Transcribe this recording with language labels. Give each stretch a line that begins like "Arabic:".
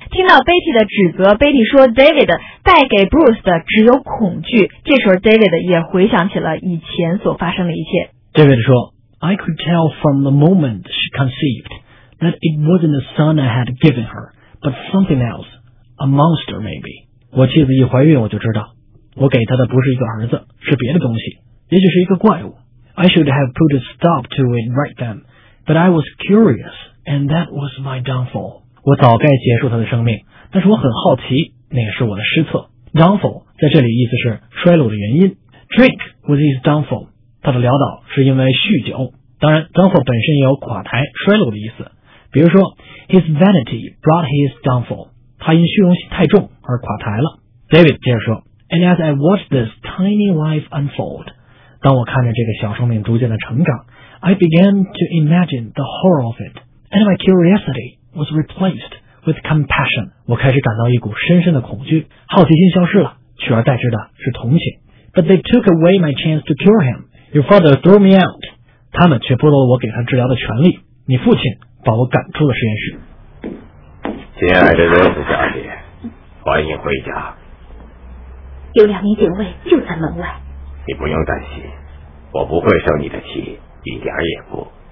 Chinese: 听到 Betty 的指责 Betty 说 David 带给 Bruce 的只有恐惧这时候 David 也回想起了以前所发生的一切
English: David 说I could tell from the moment she conceived that it wasn't the son I had given her, but something else, a monster maybe.
Chinese: 我妻子一怀孕我就知道,我给她的不是一个儿子,是别的东西,也许是一个怪物。
English: I should have put a stop to it right then, but I was curious, and that was my downfall.
Chinese: 我早该结束她的生命,但是我很好奇,那也是我的失策。 Downfall 在这里意思是衰落的原因。
English: Drink was his downfall.
Chinese: 他的潦倒是因为酗酒。当然 downfall 本身也有垮台衰落的意思。比如说
English: ,his vanity brought his downfall.
Chinese: 他因虚荣心太重而垮台了。
English: David 接着说 ,and as I watched this tiny life unfold,
Chinese: 当我看着这个小生命逐渐的成长
English: ,I began to imagine the horror of it, and my curiosity was replaced with compassion.
Chinese: 我开始感到一股深深的恐惧好奇心消失了取而代之的是同情。
English: But they took away my chance to cure him. Your father threw me out.
Chinese: 他们却剥夺了我给他治疗的权利。你父亲把我赶出了实验室。亲爱的罗斯小姐，欢迎回家。有两名警卫就在门外。你不用担心，我不会生你的气，一点也不。